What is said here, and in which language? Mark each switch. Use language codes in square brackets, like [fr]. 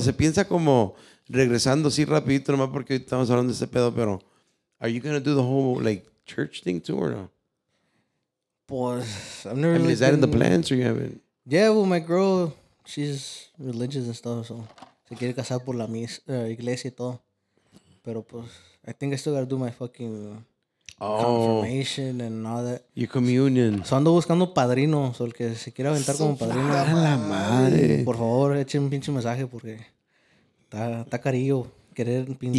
[es] Se piensa como regresando así rapidito nomás porque hoy estamos hablando de ese pedo, pero... [en] Are you going to do the whole, like, church thing too or no? [es] Pues, [en] I've never really... I mean, is that in the plans or you haven't? Yeah, well, my girl, she's religious and stuff, so... [es] Se quiere casar por la iglesia y todo. Pero pues, [en] I think I still gotta do my fucking confirmation and all that. Your communion. So [es] ando buscando padrino. [en] So [es] el que se quiera aventar como padrino. La madre. Por favor, echen un pinche mensaje porque está carillo querer pinche.